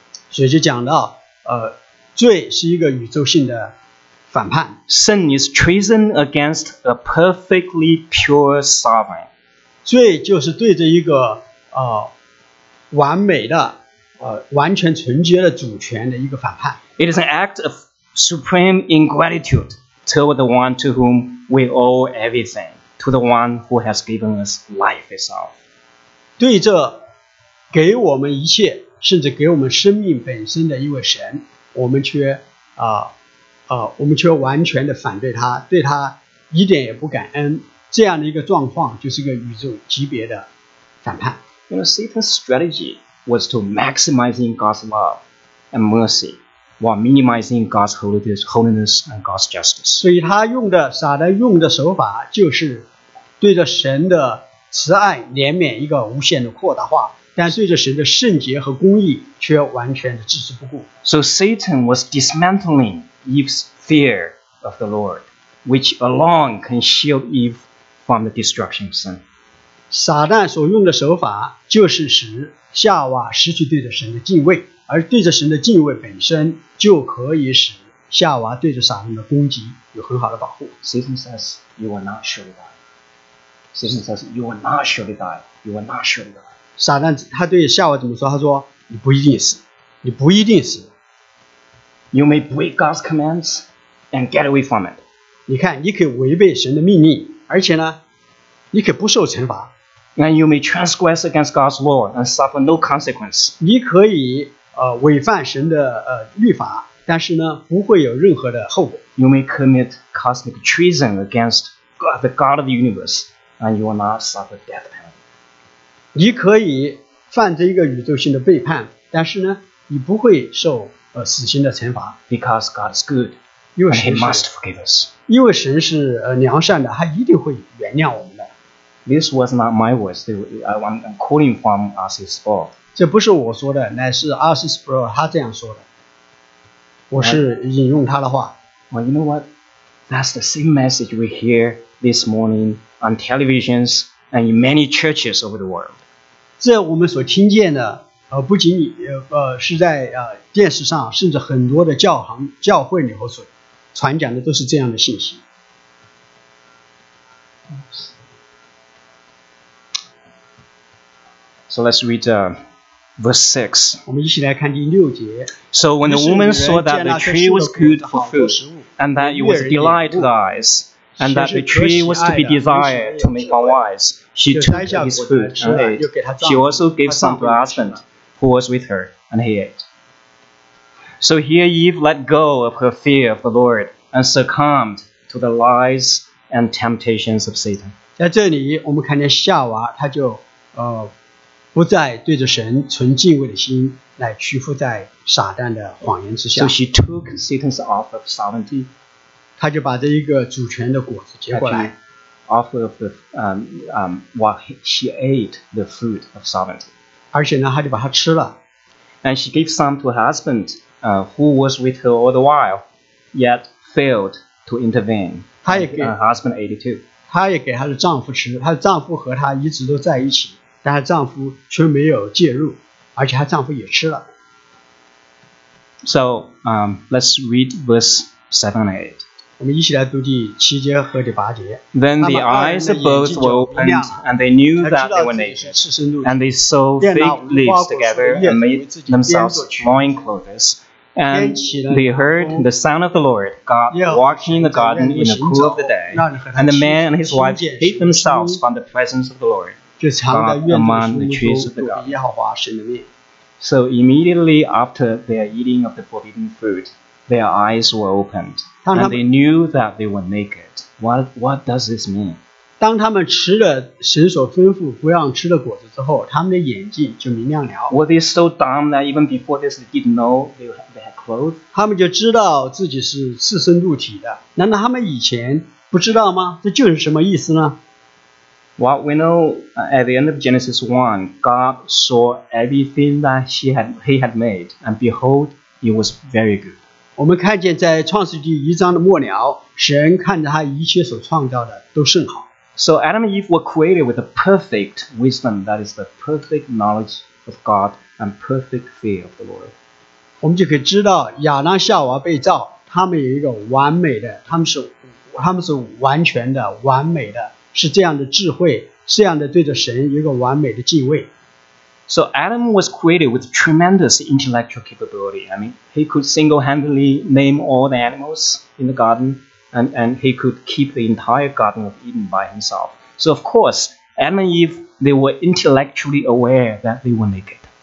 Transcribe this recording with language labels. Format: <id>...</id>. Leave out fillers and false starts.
<zh>所以就讲到，罪是一个宇宙性的反叛。</zh> <en>Sin is treason against a perfectly pure sovereign.</en> <zh>罪就是对着一个完美的完全纯洁的主权的一个反叛。</zh> <en>It is an act of supreme ingratitude toward the one to whom we owe everything, to the one who has given us life itself.</en> <zh>对这给我们一切，甚至给我们生命本身的一位神，我们却完全的反对他，对他一点也不感恩，这样的一个状况就是一个宇宙级别的反叛。</zh> <en>You know, Satan's strategy was to maximizing God's love and mercy while minimizing God's holiness and God's justice.</en> <zh>所以他用的撒旦用的手法就是对着神的慈爱怜悯一个无限的扩大化，但对着神的圣洁和公义却完全的置之不顾。</zh> <en>So Satan was dismantling Eve's fear of the Lord, which alone can shield Eve from the destruction of sin.</en> <zh>撒旦所用的手法就是使夏娃失去对着神的敬畏，而对着神的敬畏本身就可以使夏娃对着撒旦的攻击有很好的保护。</zh> <en>Satan says, you will not surely die. Satan says, you will not surely die. You will not surely die.</en> <zh>撒旦他对夏娃怎么说？他说，你不一定死，你不一定死。</zh> <en>You may break God's commands and get away from it.</en> <zh>你看，你可以违背神的命令，而且呢，你可不受惩罚。</zh> <en>And you may transgress against God's law and suffer no consequence.</en> <zh>你可以违反神的律法，但是呢不会有任何的后果。</zh> <en>You may commit cosmic treason against God, the God of the universe, and you will not suffer death penalty.</en> <zh>你可以犯这一个宇宙性的背叛，但是呢你不会受死刑的惩罚。</zh> <en>Because God is good, and He must forgive us.</en> <zh>因为神是良善的，他一定会原谅我们的。</zh> <en>This was not my words. I'm quoting from R.C. Sproul.</en> <zh>这不是我说的，乃是 R.C. Sproul 他这样说的。我是引用他的话。</zh> <en>Well, you know what? That's the same message we hear this morning on televisions and in many churches over the world.</en> <zh>这我们所听见的，不仅是在电视上，甚至很多的教会里头所传讲的都是这样的信息。</zh> <en>So let's read verse 6.</en> <zh>我们一起来看第六节。</zh> <en>So when the woman saw that the tree was good for food, and that it was a delight to the eyes, and that the tree was to be desired to make one wise, she took his food and ate. She also gave some to her husband, who was with her, and he ate. So here Eve let go of her fear of the Lord and succumbed to the lies and temptations of Satan.</en> <zh>在这里，我们看见夏娃，她就不再对着神存敬畏的心，来屈服在撒旦的谎言之下。</zh> <en>So she took Satan's offer of sovereignty.</en> <zh>他就把这一个主权的果子接过来。</zh> <en>Offer of she ate the fruit of sovereignty.</en> <zh>而且呢，他就把它吃了。</zh> <en>And she gave some to her husband, who was with her all the while, yet failed to intervene.</en> <zh>他也给</zh> <en>her husband ate it too.</en> <zh>他也给他的丈夫吃，他的丈夫和他一直都在一起。但她丈夫却没有介入，而且她丈夫也吃了。</zh> <en>So, let's read verse 7 and 8. Then the eyes of both were opened, and they knew that they were naked. And they sewed fig leaves together and made themselves loin clothes. And they heard the sound of the Lord God walking in the garden in the cool of the day. And the man and his wife hid themselves from the presence of the Lord God among the trees of the garden. So immediately after their eating of the forbidden fruit, their eyes were opened, and they knew that they were naked. What does this mean?</en> <zh>当他们吃了神所吩咐不让吃的果子之后, 他们的眼睛就明亮了。</zh> <en>Were they so dumb that even before this they didn't know they had clothes?</en> <zh>他们就知道自己是赤身露体的。难道他们以前不知道吗? 这就是什么意思呢?</zh> <en>Well, we know at the end of Genesis 1, God saw everything that he had made, and behold, it was very good.</en> <zh>我们看见在创世纪一章的末了, 神看着他一切所创造的都甚好。</zh> <en>So Adam and Eve were created with a perfect wisdom, that is the perfect knowledge of God and perfect fear of the Lord.</en> <zh>我们就可以知道亚当夏娃被造, 他们有一个完美的, 他们是完全的, 完美的, 是这样的智慧, 这样的对着神有一个完美的敬畏。</zh> <en>So Adam was created with tremendous intellectual capability. I mean, he could single-handedly name all the animals in the garden, and he could keep the entire Garden of Eden by himself. So of course, Adam and Eve, they were intellectually aware that they were naked.</en>